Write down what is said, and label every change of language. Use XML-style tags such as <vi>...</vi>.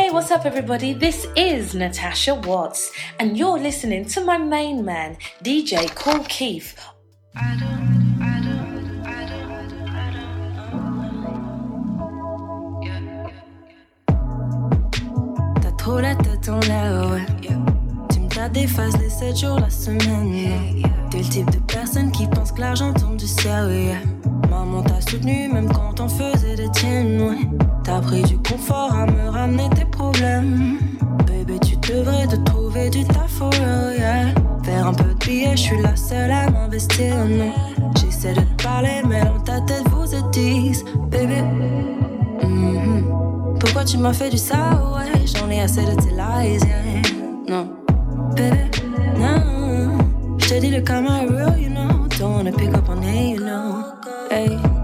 <en>Everybody, this is Natasha Watts, and you're listening to my main man, DJ Kool Keith.</en> <fr>T'as trop la tête en l'air, ouais. Tu me tardes des phases les 7 jours la semaine. T'es le type de personne qui pense que l'argent tombe du ciel, ouais. Maman t'a soutenu même quand t'en faisais des tiennes, ouais. T'as pris du confort à me ramener tes problèmes. Bébé, tu devrais te trouver du taf,</fr> <en>oh yeah.</en> <fr>Faire un peu de billets, je suis la seule à m'investir, non. J'essaie j'essaie de te parler, mais dans ta tête vous êtes 10, baby. Pourquoi tu m'as fait du ça, ouais? J'en ai assez de tes lies, yeah. Non, baby, non. J'te dis le karma est real,</fr> <en>you know. Don't wanna pick up on it, you know. Hey.</en>